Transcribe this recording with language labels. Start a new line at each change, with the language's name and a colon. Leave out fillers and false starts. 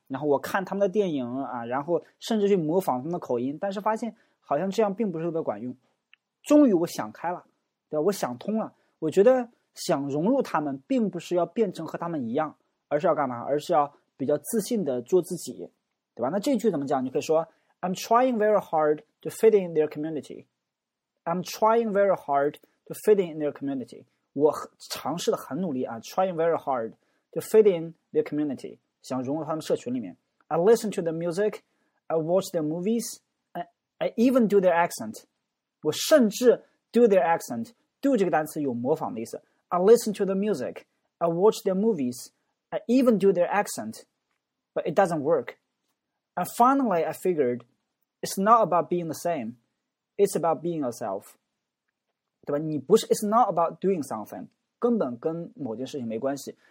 Chinese: 然后我看他们的电影啊，然后甚至去模仿他们的口音，但是发现好像这样并不是特别管用。终于我想开了，对吧？我想通了，我觉得想融入他们，并不是要变成和他们一样，而是要干嘛？而是要比较自信的做自己，对吧？那这句怎么讲？
English: 你可以说 I'm trying very hard to fit in their community. I'm trying very hard to fit in their community.
Chinese: 我尝试的很努力啊
English: ，trying very hard to fit in their community.
Chinese: 想融入他们社群里面。
English: I listen to the music, I watch their movies, I even do their accent.
Chinese: 我甚至
English: do their accent.
Chinese: Do 这个单词有模仿的意思。
English: I listen to the music, I watch their movies. I even do their accent, but it doesn't work. And finally, I figured it's not about being the same. It's about being yourself.
Chinese: 对吧？你不是
English: It's not about doing something.
Chinese: 根本跟某件事情没关系。